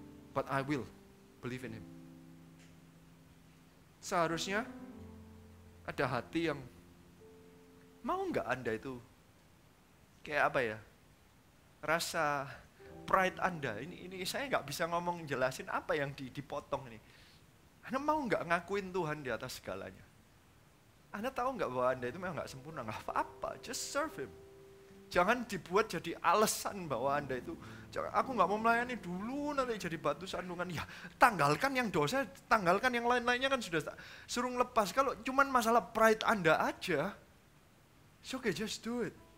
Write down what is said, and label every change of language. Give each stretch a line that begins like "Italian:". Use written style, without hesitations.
English: But I will believe in Him.
Indonesian: Seharusnya ada hati yang mau enggak Anda itu kayak apa ya, rasa pride Anda ini saya enggak bisa ngomong jelasin apa yang dipotong ini. Anda mau enggak ngakuin Tuhan di atas segalanya? Anda tahu enggak bahwa Anda itu memang enggak sempurna, enggak apa-apa,
English: just serve Him.
Indonesian: Jangan dibuat jadi alasan bahwa Anda itu, aku gak mau melayani dulu nanti jadi batu sandungan. Ya, tanggalkan yang dosa, tanggalkan yang lain-lainnya kan sudah suruh lepas. Kalau cuma masalah pride Anda aja,
English: it's okay, just do it.